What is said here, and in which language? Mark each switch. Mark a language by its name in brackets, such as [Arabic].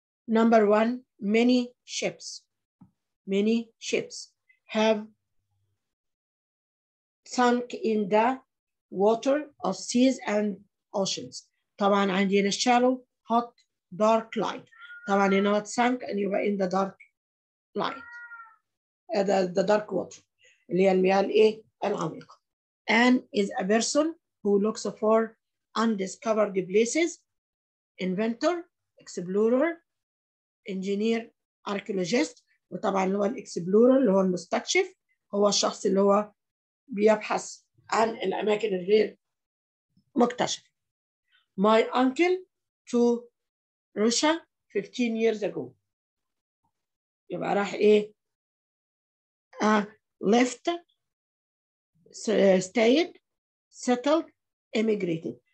[English] Number 1, many ships have sunk in the water of seas and oceans. طبعا عندي هنا shallow, hot, dark, light. طبعا هنا what sunk and you were in the dark light. The dark water. [Arabic] اللي هي المياه الايه؟ العميقة. [English] And is a person who looks for undiscovered places, inventor, explorer, engineer, archaeologist. [Arabic] وطبعا اللي هو الاكسبلورر اللي هو المستكشف هو الشخص اللي هو بيبحث عن الاماكن الغير مكتشف. [English] My uncle to Russia 15 years ago. يبقى راح ايه؟ left, stayed, settled, immigrated.